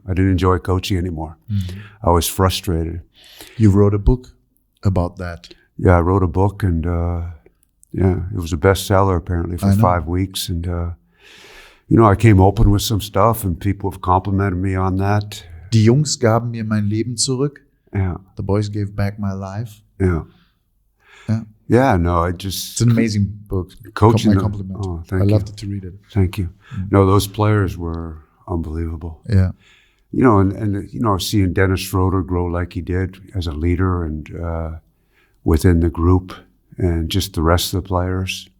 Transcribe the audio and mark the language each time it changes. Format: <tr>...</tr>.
<en>I didn't enjoy coaching anymore. Mm-hmm. I was frustrated. You wrote a book about that. Yeah, I wrote a book and yeah, it was a bestseller apparently for 5 weeks. And, you know, I came open with some stuff and people have complimented me on that.</en> <de>Die Jungs gaben mir mein Leben zurück.</de> <en>Yeah. The boys gave back my life. Yeah. Yeah, no, I just... It's an amazing book. Coaching. My compliment. Oh, thank you. I loved it to read it. Thank you. Mm-hmm. No, those players were unbelievable. Yeah. You know, and you know, seeing Dennis Schroeder grow like he did as a leader and within the group and just the rest of the players.</en>